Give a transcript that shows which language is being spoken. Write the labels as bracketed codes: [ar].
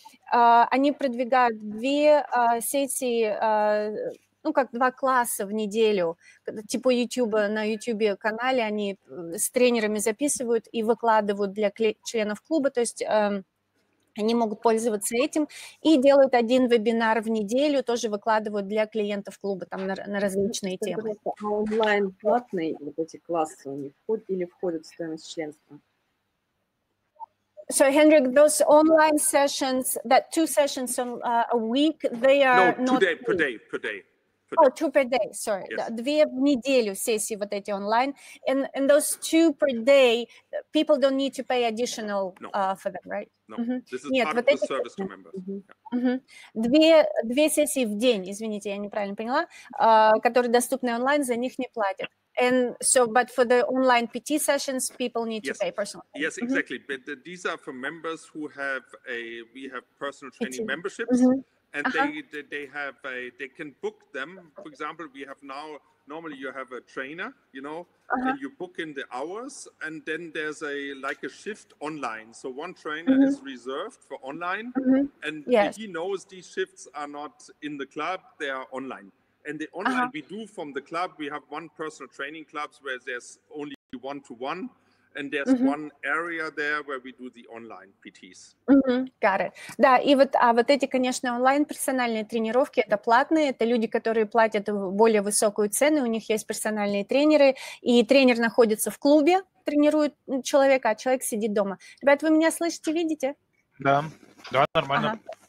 [ru] Они продвигают две сессии, ну, как два класса в неделю, типа YouTube, на YouTube-канале они с тренерами записывают и выкладывают для членов клуба, то есть они могут пользоваться этим, и делают один вебинар в неделю, тоже выкладывают для клиентов клуба там на различные темы. А онлайн-платные вот эти классы у них входят или входят в стоимость членства? [en] So, Hendrik, those online sessions, that two sessions a week, they are No, per day. Oh, two per day, sorry. Yes. [ru] Две в неделю сессии вот эти онлайн. [en] And those two per day, people don't need to pay additional for them, right? No, mm-hmm. this is part of the service to members. [ru] Две сессии в день, извините, я неправильно поняла, которые доступны онлайн, за них не платят. [en] And so, but for the online PT sessions, people need to pay personally. Yes, exactly. Mm-hmm. But these are for members who have we have personal training PT. Memberships. Mm-hmm. And they can book them. For example, we have now, normally you have a trainer, you know, and you book in the hours, and then there's a shift online. So one trainer is reserved for online, and he knows these shifts are not in the club, they are online. And the online we do from the club, we have one personal training clubs where there's only one-to-one, and there's one area there where we do the online PTs. Mm-hmm. Got it. [ru] Да, и вот, а вот эти, конечно, онлайн персональные тренировки, это платные, это люди, которые платят более высокую цену, у них есть персональные тренеры, и тренер находится в клубе, тренирует человека, а человек сидит дома. Ребят, вы меня слышите, видите? Да, да, нормально. Ага.